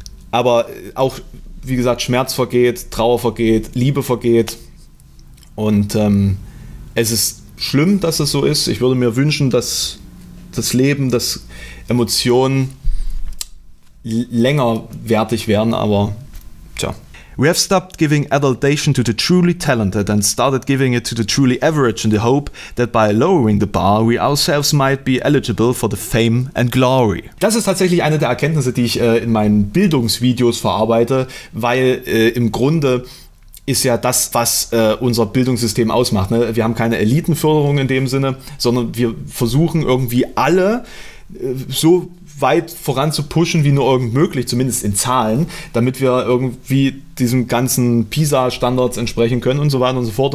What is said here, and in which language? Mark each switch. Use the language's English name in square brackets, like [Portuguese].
[German] aber auch, wie gesagt, Schmerz vergeht, Trauer vergeht, Liebe vergeht. Und es ist schlimm, dass es so ist. Ich würde mir wünschen, dass das Leben, dass Emotionen länger wertig werden, aber tja. [English] We have stopped giving adulation to the truly talented and started giving it to the truly average in the hope that by lowering the bar, we ourselves might be eligible for the fame and glory. [German] Das ist tatsächlich eine der Erkenntnisse, die ich in meinen Bildungsvideos verarbeite, weil im Grunde ist ja das, was unser Bildungssystem ausmacht. Ne? Wir haben keine Elitenförderung in dem Sinne, sondern wir versuchen irgendwie alle so weit voranzupushen, wie nur irgend möglich, zumindest in Zahlen, damit wir irgendwie diesem ganzen PISA-Standards entsprechen können und so weiter und so fort.